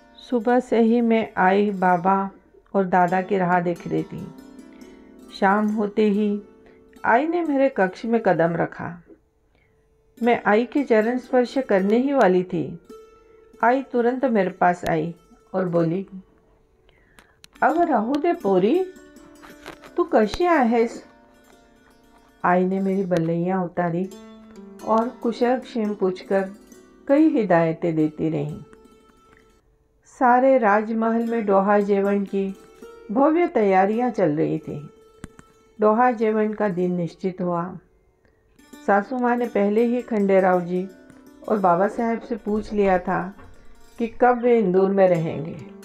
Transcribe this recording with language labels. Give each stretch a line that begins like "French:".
Hindi: सुबह से ही मैं आई बाबा और दादा की राह देख रही थी। शाम होते ही आई ने मेरे कक्ष में कदम रखा। मैं आई के चरण स्पर्श करने ही वाली थी। आई तुरंत मेरे पास आई और बोली,
Marathi: अब राहू दे पोरी, तू कशी आहेस?
Hindi: आई ने मेरी बल्लैया उतारी और कुशल क्षेम पूछकर कई हिदायतें देती रही। सारे राजमहल में दोहा जेवन की भव्य तैयारियां चल रही थी। दोहा जेवन का दिन निश्चित हुआ। सासू माँ ने पहले ही खंडेराव जी और बाबा साहब से पूछ लिया था कि कब वे इंदौर में रहेंगे।